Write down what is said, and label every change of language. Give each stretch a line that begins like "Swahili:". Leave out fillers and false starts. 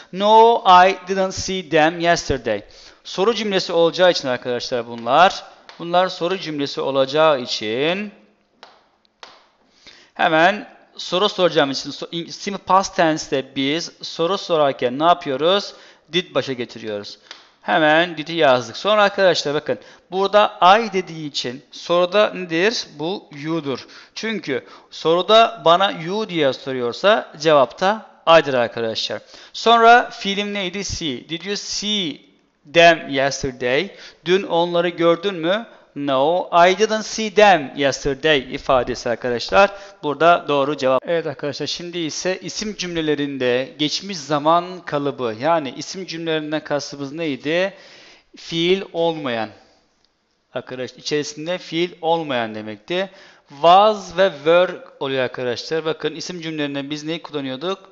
English: No, I didn't see them yesterday.
Turkish: Soru cümlesi olacağı için arkadaşlar bunlar. Bunlar soru cümlesi olacağı için hemen soru soracağım için simple past tense'de biz soru sorarken ne yapıyoruz? Did başa getiriyoruz. Hemen did'i yazdık. Sonra arkadaşlar bakın burada I dediği için soruda nedir? Bu you'dur. Çünkü soruda bana you diye soruyorsa cevapta I'dır arkadaşlar. Sonra fiilim neydi? See.
English: Did you see them yesterday?
Turkish: Dün onları gördün mü?
English: No, I didn't see them yesterday
Turkish: ifadesi arkadaşlar. Burada doğru cevap. Evet arkadaşlar şimdi ise isim cümlelerinde geçmiş zaman kalıbı yani isim cümlelerinden kastımız neydi? Fiil olmayan. Arkadaşlar içerisinde fiil olmayan demekti. Was ve were oluyor arkadaşlar. Bakın isim cümlelerinde biz neyi kullanıyorduk?